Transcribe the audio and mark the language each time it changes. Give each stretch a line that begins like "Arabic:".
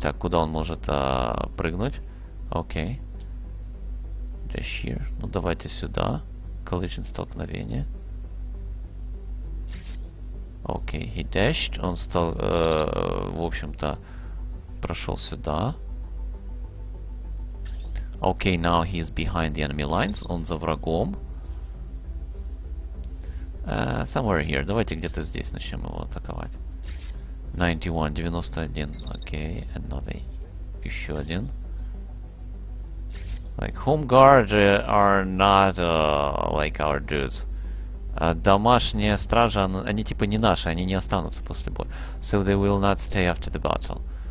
Russian: Так, куда он может прыгнуть? Окей.
English: Dash here.
Russian: Ну, давайте сюда.
English: Collision,
Russian: столкновение.
English: Окей, okay, he dashed.
Russian: Он стал, в общем-то, прошел сюда.
English: Окей, okay, now he is behind the enemy lines.
Russian: Он за врагом.
English: Somewhere here.
Russian: Давайте где-то здесь начнем его атаковать. 91. Окей,
English: okay, another.
Russian: Еще один.
English: Like, home guard are not like our dudes.
Russian: Домашние стражи, они типа не наши, они не останутся после боя.
English: So they will not stay after the battle.